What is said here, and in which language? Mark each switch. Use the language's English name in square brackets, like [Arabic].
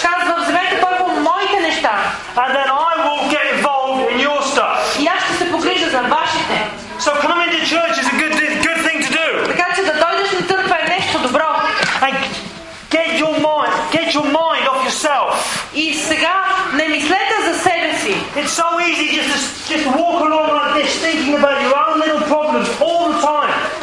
[English] and then I will get involved in your stuff. [Bulgarian] И аз ще се погрижа за вашите. [English] So coming to church is a good thing to do. [Bulgarian] Така че да дойдеш на църква е нещо добро. [English] And get your mind off yourself. [Bulgarian] И сега не мислете за себе си. [English] It's so easy just walk along like this, thinking about your own little problems all the time.